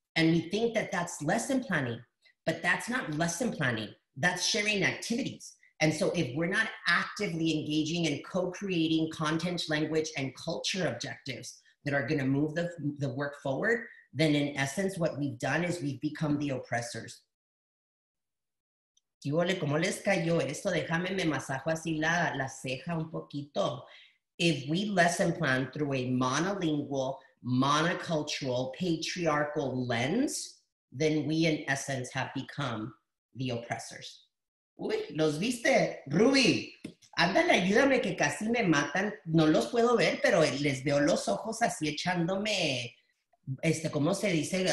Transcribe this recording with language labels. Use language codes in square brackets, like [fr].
[en] And we think that that's lesson planning, but that's not lesson planning, that's sharing activities. And so if we're not actively engaging in co-creating content, language, and culture objectives that are gonna move the work forward, then in essence, what we've done is we've become the oppressors. [es] Y ole, ¿cómo les cayó esto? Déjame me masajo así la ceja un poquito. [en] If we lesson plan through a monolingual, monocultural, patriarchal lens, then we in essence have become the oppressors. [es] Uy, ¿los viste? Ruby, ándale, ayúdame que casi me matan. No los puedo ver, pero les veo los ojos así echándome, ¿cómo se dice?